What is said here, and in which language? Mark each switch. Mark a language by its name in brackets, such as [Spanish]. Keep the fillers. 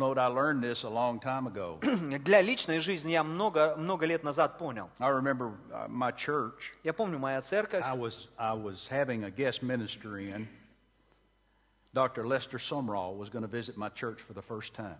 [English] note, I learned this a long time ago. [Russian] Для личной жизни я много много лет назад понял. [English] I remember my church. [Russian] Я помню моя церковь. [English] I was I was having a guest ministry in. Dr. Lester Сомрал was going to visit my church for the first time.